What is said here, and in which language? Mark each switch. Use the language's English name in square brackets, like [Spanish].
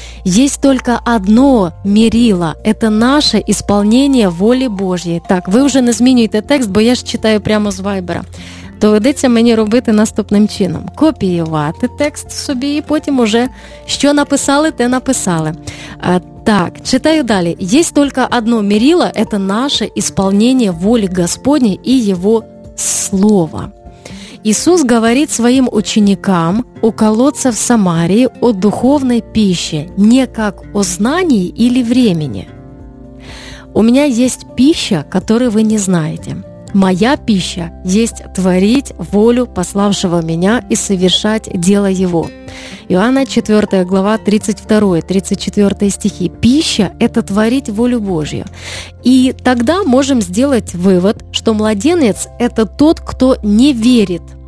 [Russian] Есть только одно мерило. Это наше исполнение воли Божьей. [Ukrainian] Так, ви вже не змінюйте текст, бо я ж читаю прямо з Вайбера. Доведеться мені робити наступним чином. Копіювати текст собі і потім уже що написали, те написали. Так, читаю далі. Єсть тільки одно мерило – це наше ісполнення волі Господні і Його Слова. Ісус говорить своїм ученикам у колодця в Самарії о духовній піші, не як о знанні или времени. У мене є піща, яку ви не знаєте. [Russian] «Моя пища есть творить волю пославшего меня и совершать дело его». Иоанна 4 глава 32-34 стихи. «Пища – это творить волю Божью». И тогда можем сделать вывод, что младенец – это тот, кто не верит.